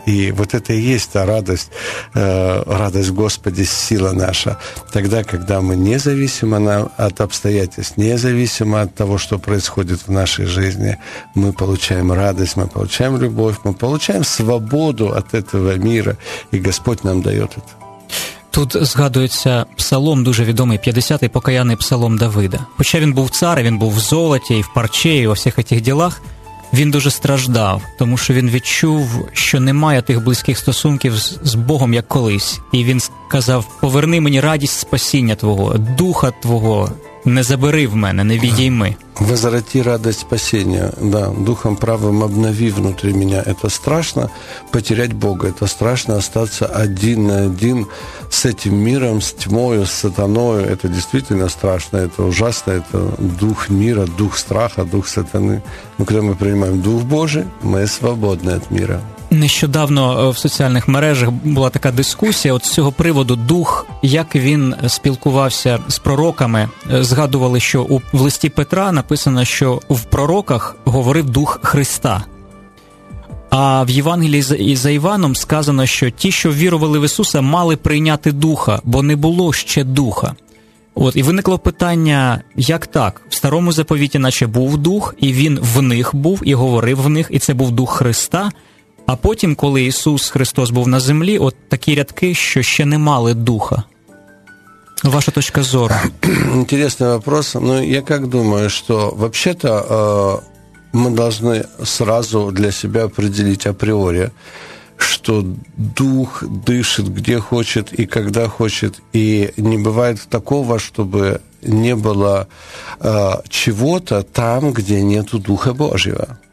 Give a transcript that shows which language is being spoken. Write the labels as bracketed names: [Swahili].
[Russian] И вот это и есть та радость, радость Господи, сила наша. Тогда, когда мы независимо от обстоятельств, независимо от того, что происходит в нашей жизни, мы получаем радость, мы получаем любовь, мы получаем свободу от этого мира, и Господь нам дает это. [Ukrainian] Тут згадується псалом, дуже відомий, 50-й покаянний псалом Давида. Хоча він був цар, він був в золоті, і в парче, і у всіх цих ділах, він дуже страждав, тому що він відчув, що немає тих близьких стосунків з Богом, як колись. І він сказав, поверни мені радість спасіння Твого, духа Твого, не забери в мене, не відійми. [Russian] Возврати радость спасения, да, духом правым обнови внутри меня. Это страшно потерять Бога, это страшно остаться один на один с этим миром, с тьмою, с сатаною. Это действительно страшно, это ужасно, это дух мира, дух страха, дух сатаны. Но когда мы принимаем Дух Божий, мы свободны от мира. [Ukrainian] Нещодавно в соціальних мережах була така дискусія, от з цього приводу дух, як він спілкувався з пророками, згадували, що в листі Петра написано, що в пророках говорив дух Христа. А в Євангелії за Іваном сказано, що ті, що вірували в Ісуса, мали прийняти духа, бо не було ще духа. От, і виникло питання, як так? В Старому Заповіті наче був дух, і він в них був, і говорив в них, і це був дух Христа. А потім, коли Ісус Христос був на землі, от такі рядки, що ще не мали духа. Ваша точка зору. [Russian] Интересный вопрос. Ну, я как думаю, что вообще-то мы должны сразу для себя определить априори, что дух дышит где хочет и когда хочет. И не бывает такого, чтобы не было чего-то там, где нету Духа Божьего.